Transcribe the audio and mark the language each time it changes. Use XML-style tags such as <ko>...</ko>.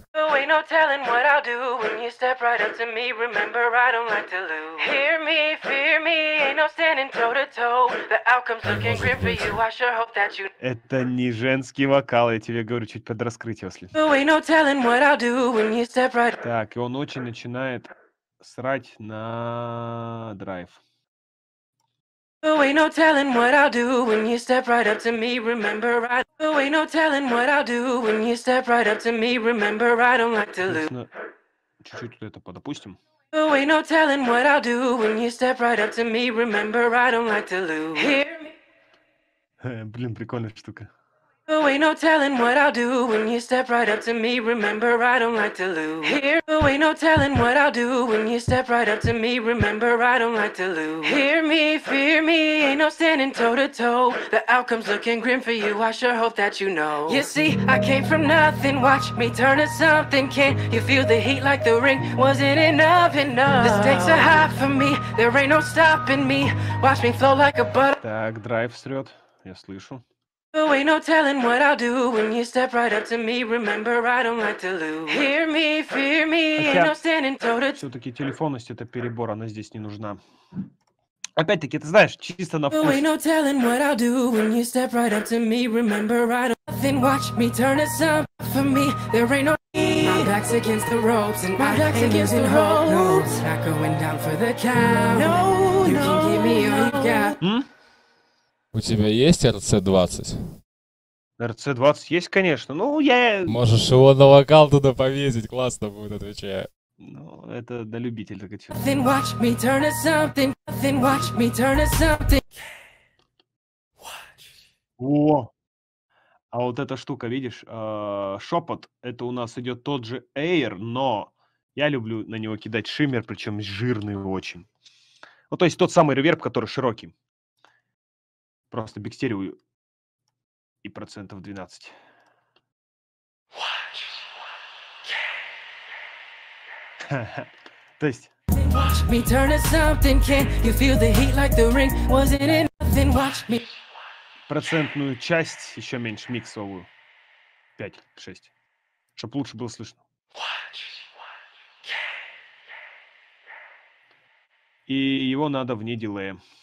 <en>Ain't no telling what I'll do when you step right up to me. Remember, I don't like to lose. Hear me, fear me, ain't no standing toe to toe. The outcome's looking grim for you. I sure hope that you.</en> <ru>Это не женский вокал, я тебе говорю, чуть подраскрыть, если.</ru> <en>Ain't no telling what I'll do when you step right.</en> <ru>Так, и он очень начинает срать на драйв.</ru> <en>Ain't no telling what I'll do when you step right up to me. Remember, I. Ain't no telling what I'll do when you step right up to me. Remember, I don't like to lose.</en> <ru>Чуть-чуть тут это подопустим.</ru> <en>Ain't no telling what I'll do when you step right up to me. Remember, I don't like to lose.</en> <ru>Блин, прикольная штука.</ru> <en>Ooh, ain't no telling what I'll do when you step right up to me. Remember, I don't like to lose. Here, ooh, ain't no telling what I'll do when you step right up to me. Remember, I don't like to lose. Hear me, fear me, ain't no standing toe to toe. The outcome's looking grim for you, I sure hope that you know. You see, I came from nothing, watch me turn to something. Can you feel the heat like the ring wasn't enough, enough? The stakes are high for me, there ain't no stopping me. Watch me flow like a butter.</en> <ru>Так, драйв срёт, я слышу.</ru> <en>Ooh, ain't no telling what I'll do when you step right up to me. Remember, I don't like to lose. Hear me, fear me, ain't no standing toe to toe.</en> <ru>Все-таки телефонность — это перебор, она здесь не нужна. Опять-таки, ты знаешь, чисто на вкус.</ru> <en>Ooh, ain't no telling what I'll do when you step right up to me. Remember, I don't like to lose. Watch me turn to something for me. There ain't no need. My back's against the ropes and my back's against the ropes. Not going down for the count. No, no, you can give me all you got.</en> <ru>У тебя есть RC-20? RC-20 есть, конечно. Ну, я... Можешь его на вокал туда повесить, классно будет, отвечаю. Ну, это до любителя, так хочу.</ru> <en>Watch me turn to something. Nothing, watch me turn to something. Watch. О!</en> <ru>А вот эта штука, видишь, шепот, это у нас идет тот же Air, но я люблю на него кидать шиммер, причем жирный очень. Ну, то есть тот самый реверб, который широкий. Просто бикстерию и процентов 12.</ru> <en>Watch.</en> <ru>То есть...</ru> <en>Watch me turn to something, can you feel the heat like the ring, wasn't it nothing, watch me...</en> <ru>Процентную часть, еще меньше, миксовую. 5-6. Чтоб лучше было слышно.</ru> <en>Watch.</en> <ru>И его надо вне дилея.</ru>